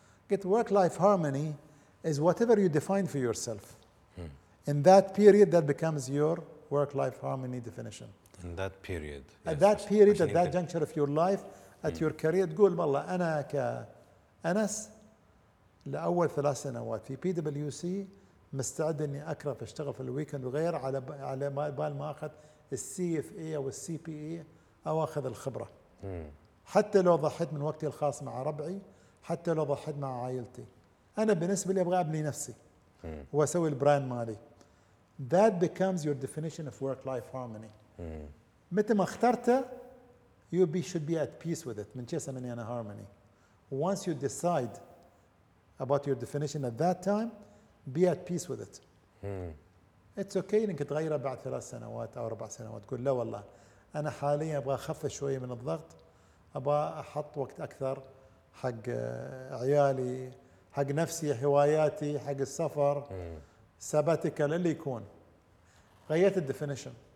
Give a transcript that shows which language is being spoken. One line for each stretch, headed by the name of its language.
English: قلت work life harmony is whatever you define for yourself. In that period that becomes your work life harmony definition. In that period. At yes, that period, at that juncture of your life, at your career,
Arabic: تقول والله أنا كأنس لأول 3 سنوات في PwC مستعد إني أكره في أشتغل في الويكند وغير على بال ما أخذ CFA أو CPA أو أخذ الخبرة. حتى لو ضحيت من وقتي الخاص مع ربعي، حتى لو ضحيت مع عائلتي، أنا بالنسبة لي أبغى أبني نفسي وأسوي البراند مالي.
English: That becomes your definition of work-life harmony.
Arabic: متى ما اخترته
English: you be, should be at peace with it.
Arabic: من جسم أني أنا harmony.
English: Once you decide about your definition at that time be at peace with it. It's okay
Arabic: إنك تغيره بعد 3 سنوات أو 4 سنوات تقول لا والله أنا حاليا أبغى أخف شوية من الضغط، أبغى أحط وقت أكثر حق عيالي، حق نفسي، هواياتي، حق السفر، سباتيكال، اللي يكون غيرت الديفينيشن.